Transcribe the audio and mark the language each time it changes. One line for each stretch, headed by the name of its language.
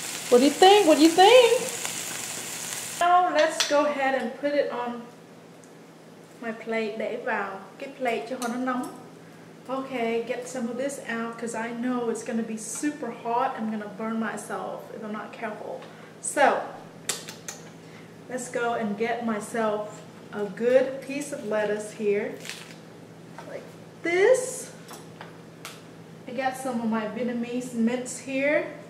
English: What do you think? What do you think? Now let's go ahead and put it on my plate.
Vietnamese: Để vào cái plate cho nó nóng.
English: Okay, get some of this out because I know it's going to be super hot. I'm going to burn myself if I'm not careful. So, let's go and get myself a good piece of lettuce here. Like this. I got some of my Vietnamese mince here.